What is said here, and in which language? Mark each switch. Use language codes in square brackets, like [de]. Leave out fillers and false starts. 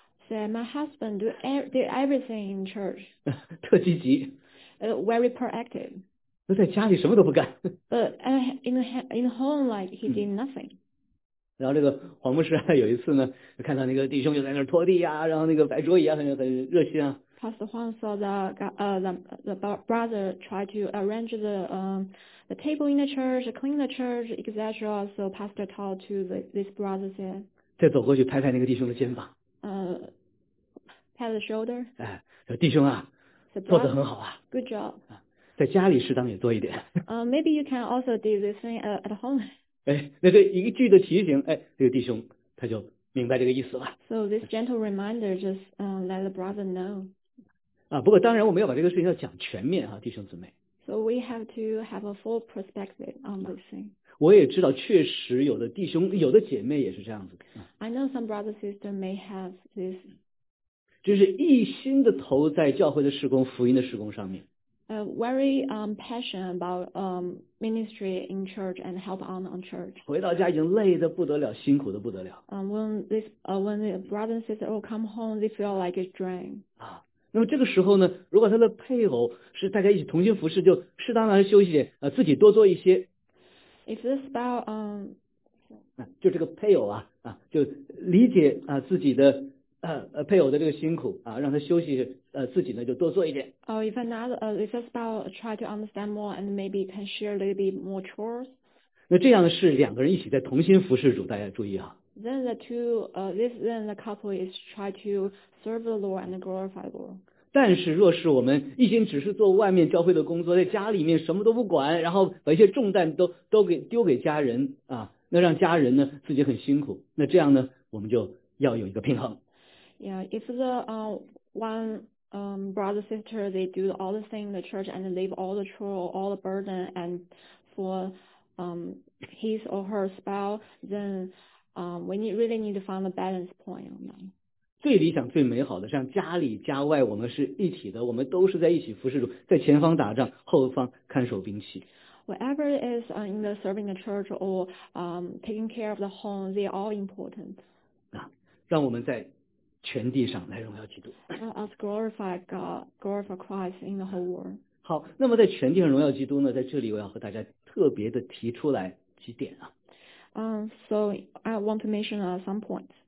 [en] Say my husband do everything in church. [zh] 特积极。 [en] Very proactive. [zh] 那在家里什么都不干。 [en] But in home like he did nothing. [zh] 然后这个黄牧师有一次呢，看到那个弟兄就在那儿拖地呀，然后那个摆桌椅啊，很热心啊。 [en] Pastor Huang saw the brother try to arrange the table in the church, clean the church, etc. So Pastor talked to this brother said, [zh] 再走过去拍拍那个弟兄的肩膀。 [en] Pat the shoulder. [zh] 哎，弟兄啊， [en] said, [zh] 做得很好啊。 [en] Good job. [zh] 在家里适当也做一点。 [en] Maybe you can also do this thing at home. [zh] 哎，那这一句的提醒，哎，这个弟兄他就明白这个意思了。 [en] So this gentle reminder just let the brother know. [zh] 啊，不过当然我们要把这个事情要讲全面啊，弟兄姊妹。 [en] So we have to have a full perspective on this thing. [zh] 我也知道，确实有的弟兄、有的姐妹也是这样子。 [en] I know some brother sister may have this. [zh] 就是一心的投在教会的事工、福音的事工上面。 [en] Very passionate about ministry in church and help on church. [zh] 回到家已经累得不得了，辛苦得不得了。 [en] When the brother and sister all come home, they feel like it's drain. [zh] 啊，那么这个时候呢，如果他的配偶是大家一起同心服侍，就适当的休息，自己多做一些。 [en] If this about [zh] 就这个配偶啊，就理解自己的。配偶的这个辛苦啊，让他休息，自己呢就多做一点。 [en] If another, if a spouse try to understand more and maybe can share a little bit more chores. [zh] 那这样是两个人一起在同心服侍主，大家注意啊。 [en] Then the two, then the couple is try to serve the Lord and glorify the Lord. [zh] 但是若是我们一心只是做外面教会的工作，在家里面什么都不管，然后把一些重担都给丢给家人啊，那让家人呢自己很辛苦，那这样呢我们就要有一个平衡。 [en] Yeah, if the one brother sister they do all the thing in the church and leave all the chore all the burden and for his or her spouse, then we really need to find a balance point. [zh] 最理想、最美好的，像家里家外，我们是一体的，我们都是在一起服侍主，在前方打仗，后方看守兵器。 [en] Whatever is in the serving the church or taking care of the home, they are all important. [zh] 啊，让我们在全地上来荣耀基督。 [en] Let us glorify God, glorify Christ in the whole world. [zh] 好，那么在全地上荣耀基督呢，在这里我要和大家特别的提出来几点啊。 [en] So I want to mention some points.